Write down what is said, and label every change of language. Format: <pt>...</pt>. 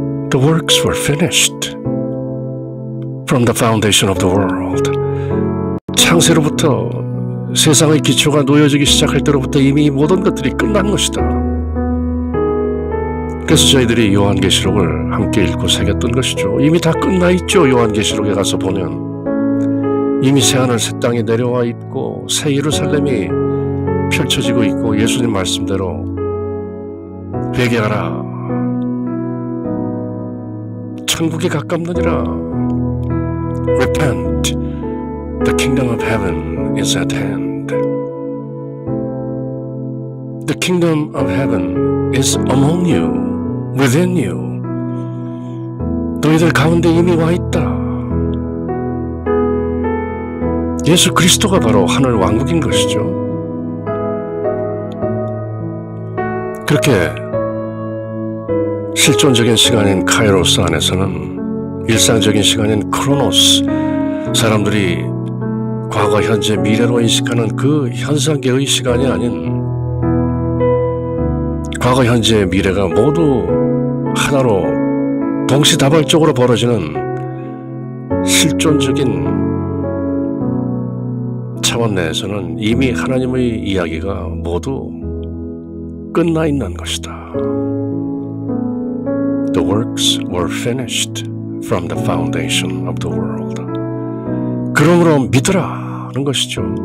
<en>The works were finished from the foundation of the world.</en> <ko>창세로부터 세상의 기초가 놓여지기 시작할 때로부터 이미 모든 것들이 끝난 것이다. 그래서 저희들이 요한계시록을 함께 읽고 새겼던 것이죠. 이미 다 끝나 있죠. 요한계시록에 가서 보면 이미 새하늘 새 땅이 내려와 있고 새 예루살렘이 펼쳐지고 있고 예수님 말씀대로 회개하라 천국에 가깝느니라.</ko> <en>Repent, the kingdom of heaven is at hand. The kingdom of heaven is among you, within you.</en> <ko>너희들 가운데 이미 와 있다. 예수 그리스도가 바로 하늘 왕국인 것이죠. 그렇게 실존적인 시간인 카이로스 안에서는 일상적인 시간인 크로노스, 사람들이 과거, 현재, 미래로 인식하는 그 현상계의 시간이 아닌 과거, 현재, 미래가 모두 하나로 동시다발적으로 벌어지는 실존적인 차원 내에서는 이미 하나님의 이야기가 모두 끝나 있는 것이다.</ko> <en>The works were finished from the foundation of the world.</en> <ko>그러므로 믿으라 하는 것이죠.</ko>